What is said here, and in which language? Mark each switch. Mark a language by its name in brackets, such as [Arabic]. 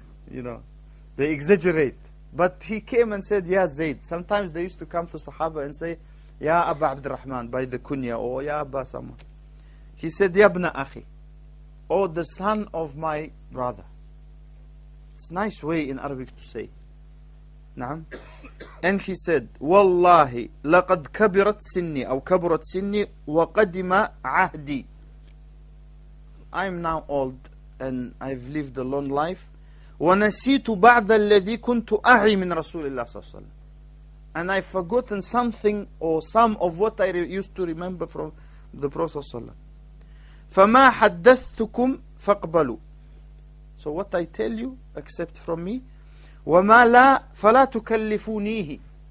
[English] You know, they exaggerate. But he came and said, Ya Zayd. Sometimes they used to come to Sahaba and say, Ya Aba Abdurrahman, by the kunya, or Ya Aba someone. He said, Ya Abna Akhi, or the son of my brother. It's a nice way in Arabic to say. [Arabic] نعم. [English] And he said, [Arabic] والله لقد كبرت سني أو كبرت سني وقدم عهدي. [English] I'm now old and I've lived a long life. [Arabic] ونسيت بعض الذي كنت أعي من رسول الله صلى الله عليه وسلم. [English] And I've forgotten something or some of what I used to remember from the Prophet [Arabic] صلى الله عليه وسلم. فما حدثتكم فاقبلوا. [English] So what I tell you, accept from me. [Arabic] وَمَا لَا فَلَا تُكَلِّفُونِيهِ.